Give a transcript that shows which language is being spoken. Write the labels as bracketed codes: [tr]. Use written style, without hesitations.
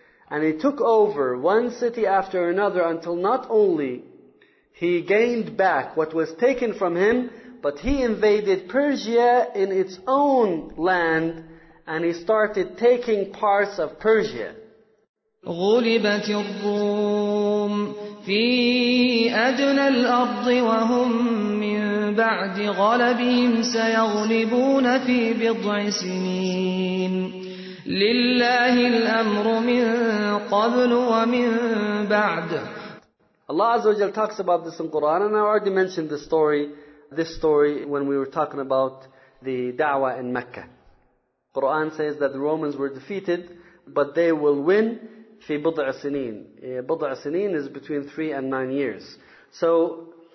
[en] And he took over one city after another until not only he gained back what was taken from him, but he invaded Persia in its own land and he started taking parts of Persia. [ar] غلبت الروم في أدنى الأرض وهم من بعد غلبهم سيغلبون في بضع سنين لله الأمر من قبل ومن بعد. [en] Allah Azza wa Jal talks about this in Quran, and I already mentioned this story when we were talking about the da'wah in Mecca. Quran says that the Romans were defeated, but they will win. [ar] في بضع سنين. بضع سنين [en] is between 3 and 9 years. So